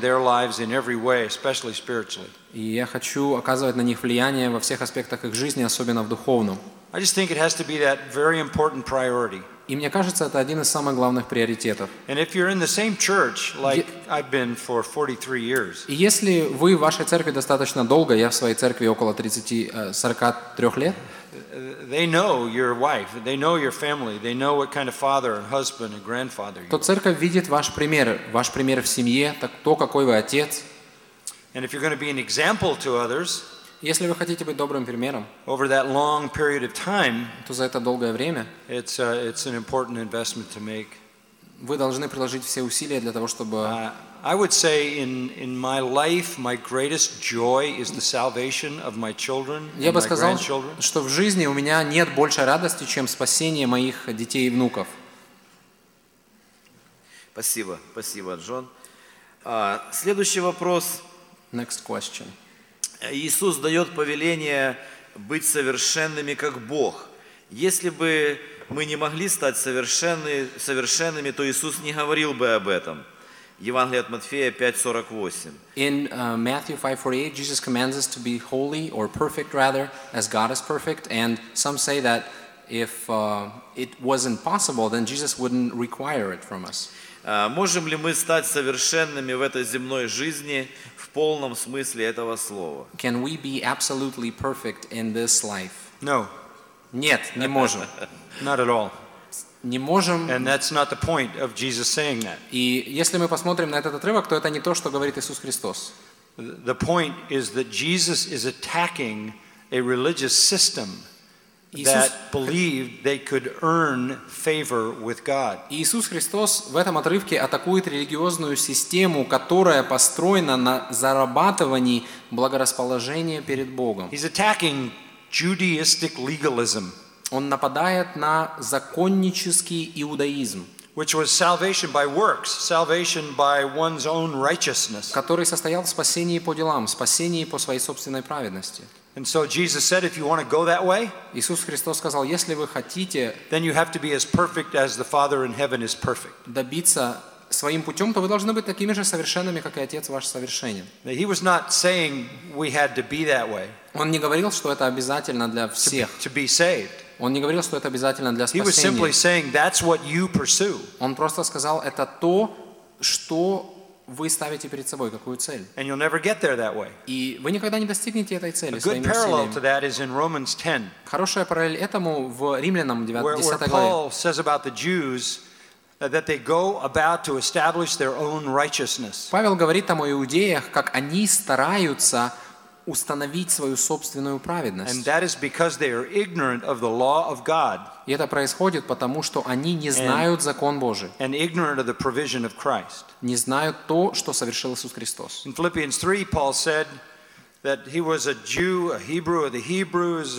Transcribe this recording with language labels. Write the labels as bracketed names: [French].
[English] In their lives in every way, especially spiritually. [Russian] И я хочу оказывать на них влияние во всех аспектах их жизни, особенно в духовном. [English] I just think it has to be that very important priority. [Russian] И мне кажется, это один из самых главных приоритетов. [English] And if you're in the same church, like I've been for 43 years. [Russian] И если вы в вашей церкви достаточно долго, я в своей церкви около 43 лет. [English] They know your wife, they know your family, they know what kind of father and husband and grandfather you are. [Russian] То церковь видит ваш пример в семье, так то какой вы отец. [English] And if you're going to be an example to others, [Russian] если вы хотите быть добрым примером, [English] over that long period of time, [Russian] то за это долгое время, [English] it's an important investment to make. [Russian] Вы должны приложить все усилия для того, чтобы [English] I would say in my life my greatest joy is the salvation of my children and my grandchildren. [Russian] Я бы сказал, что в жизни у меня нет большей радости, чем спасение моих детей и внуков. Спасибо, спасибо, Джон. Следующий вопрос. [English] Next question. [Russian] Иисус дает повеление быть совершенными, как Бог. Если бы мы не могли стать совершенными, то Иисус не говорил бы об этом. Евангелие от Матфея 5:48. [English] In Matthew 5:48, Jesus commands us to be holy or perfect rather, as God is perfect. And some say that if it wasn't possible, then Jesus wouldn't require it from us. [Russian] Можем ли мы стать совершенными в этой земной жизни в полном смысле этого слова? [English] Can we be absolutely perfect in this life? No. [Russian] Нет, не можем. [English] Not at all. [Russian] Не можем. [English] And that's not the point of Jesus saying that. [Russian] И если мы посмотрим на этот отрывок, то это не то, что говорит Иисус Христос. [English] The point is that Jesus is attacking a religious system. That believed they could earn favor with God. [Russian] Иисус Христос в этом отрывке атакует религиозную систему, которая построена на зарабатывании благорасположения перед Богом. [English] He's attacking Judaistic legalism. [Russian] Он нападает на законнический иудаизм. [English] Which was salvation by works, salvation by one's own righteousness. [Russian] Который состоял в спасении по делам, спасении по своей собственной праведности. [English] And so Jesus said, if you want to go that way, [Russian] Иисус Христос сказал, если вы хотите, [English] then you have to be as perfect as the Father in heaven is perfect. [Russian] Добиться своим путем, то вы должны быть такими же совершенными, как и Отец ваш совершенен. [English] Now, he was not saying we had to be that way. [Russian] Он не говорил, что это обязательно для всех. [English] To be saved. [Russian] Он не говорил, что это обязательно для спасения. [English] He was simply saying that's what you pursue. [Russian] Он просто сказал, это то, что вы ставите перед собой, какую цель. [English] And you'll never get there that way. [Russian] И вы никогда не достигнете этой цели. [English] A good parallel to that is in Romans 10. [Russian] Хорошая параллель этому в Римлянам 10 главе. [English] Where Paul says about the Jews that they go about to establish their own righteousness. [Russian] Павел говорит там о иудеях, как они стараются установить свою собственную праведность. [English] And that is because they are ignorant of the law of God. [Russian] И это происходит потому, что они не знают закон Божий. [English] And ignorant of the provision of Christ. [Russian] Не знают то, что совершил Иисус Христос. [English] In Philippians 3, Paul said that he was a Jew, a Hebrew of the Hebrews.